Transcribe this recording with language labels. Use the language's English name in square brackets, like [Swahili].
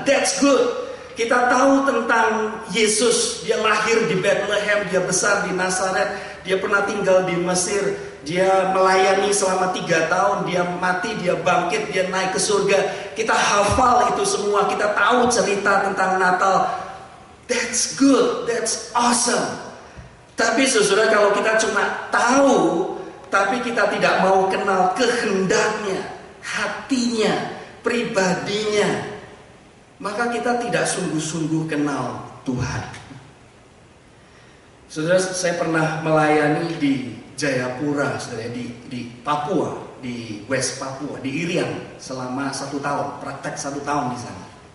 [English] That's good. [Indonesian] Kita tahu tentang Yesus, dia lahir di Bethlehem, dia besar di Nazaret, dia pernah tinggal di Mesir, dia melayani selama 3 tahun, dia mati, dia bangkit, dia naik ke surga. Kita hafal itu semua, kita tahu cerita tentang Natal. [English] That's good, that's awesome. [Indonesian] Tapi saudara, kalau kita cuma tahu, tapi kita tidak mau kenal kehendaknya, hatinya, pribadinya, maka kita tidak sungguh-sungguh kenal Tuhan. Saudara, saya pernah melayani di Jayapura, saudara, di Papua, di West Papua, di Irian selama 1 tahun, praktek 1 tahun di sana.